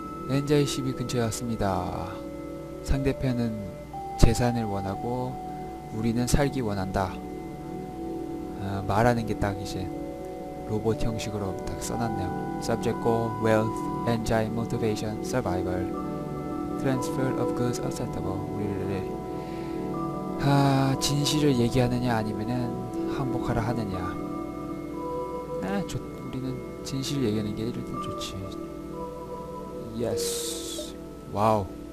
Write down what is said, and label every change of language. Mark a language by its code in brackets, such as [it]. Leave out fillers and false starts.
[ko] 엔자이 12 근처에 왔습니다. 상대편은 재산을 원하고 우리는 살기 원한다. 말하는 게 딱 이제 로봇 형식으로 딱 써놨네요. [en] Subject goal, wealth, enjoy, motivation, survival, transfer of goods acceptable. [ko] 우리를 진실을 얘기하느냐 아니면은 항복하라 하느냐. 우리는 진실을 얘기하는 게 일단 좋지. [en] Yes. 와우.